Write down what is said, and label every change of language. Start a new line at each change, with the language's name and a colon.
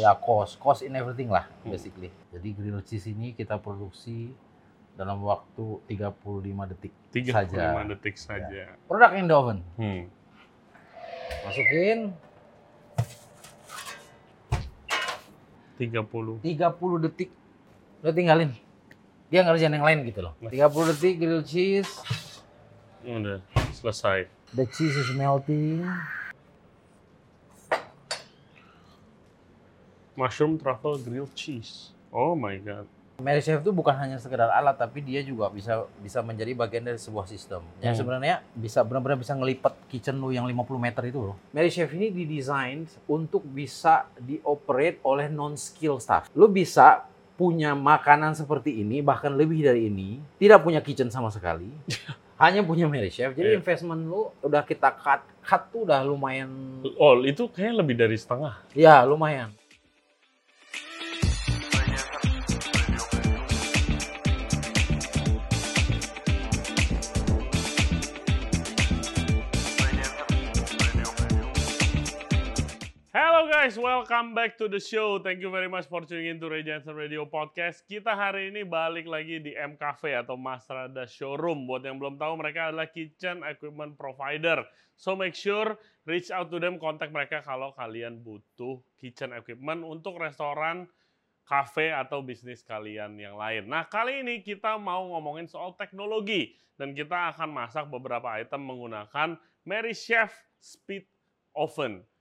English: ya cost in everything lah basically.
Indonesian: Jadi grill cheese ini kita produksi dalam waktu 35 detik saja. Ya.
English: Produk in the oven. Masukin
Indonesian: 30 detik. Lo tinggalin. Dia ngerjain yang lain gitu loh. 30 detik grill cheese. Udah selesai.
English: The cheese is melting. Mushroom truffle grilled cheese. Oh my god.
Indonesian: Mary Chef itu bukan hanya sekedar alat, tapi dia juga bisa menjadi bagian dari sebuah sistem. Yang sebenarnya bisa benar-benar bisa ngelipat kitchen lu yang 50 meter itu loh. Mary Chef ini didesain untuk bisa dioperate oleh non-skill staff. Lu bisa punya makanan seperti ini, bahkan lebih dari ini, tidak punya kitchen sama sekali. Hanya punya Mary Chef, jadi investment lu udah kita cut tuh udah lumayan. Oh, itu kayaknya lebih dari setengah. Ya, lumayan.
English: Guys, welcome back to the show. Thank you very much for tuning in to Regenser Radio Podcast.
Indonesian: Kita hari ini balik lagi di M Cafe atau Masrada Showroom. Buat yang belum tahu, mereka adalah kitchen equipment provider.
English: So make sure reach out to them,
Indonesian: kontak mereka kalau kalian butuh kitchen equipment untuk restoran, cafe, atau bisnis kalian yang lain. Nah, kali ini kita mau ngomongin soal teknologi. Dan kita akan masak beberapa item menggunakan Mary Chef Speed Oven.